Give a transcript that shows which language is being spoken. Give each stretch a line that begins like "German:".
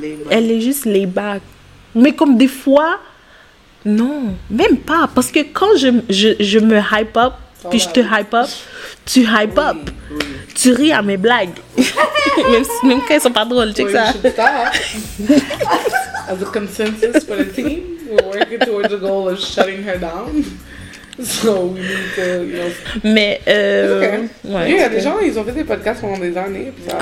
French: elle est juste laid back. Mais comme des fois, non, même pas. Parce que quand je me hype up, puis je te hype up, tu hype up. Oui. Tu ris à mes blagues. même quand elles sont pas drôles, tu sais que ça.
English: As a consensus for the team, we're working towards the goal of shutting her down. So we need to, you know.
French: Mais, okay. Ouais, il y a des gens, ils ont fait des podcasts pendant des années.